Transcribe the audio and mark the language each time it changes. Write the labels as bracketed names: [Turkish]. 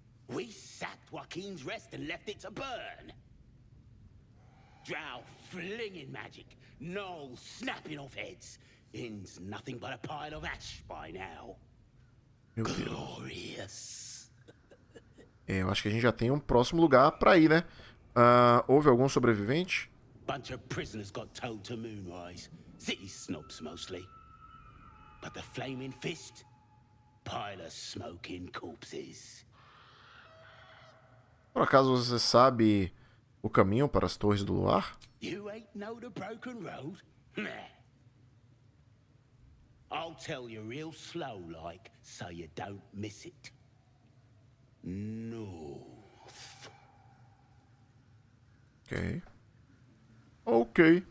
[English] We sacked Joaquin's rest and left it to burn. Drow flinging magic. Noll snapping off heads. In's nothing but a pile of ash by now. Meu glorious. [Portuguese] É, eu acho que a gente já tem um próximo lugar pra ir, né? Houve algum sobrevivente? [English] Bunch of prisoners got towed to Moonrise. City snobs mostly. But the flaming fist. Pile of smoking corpses. [Portuguese] Por acaso você sabe o caminho para as Torres do Luar? [English] You ain't know the broken road? Meh. I'll tell you real slow like, so you don't miss it. North. Okay. Okay.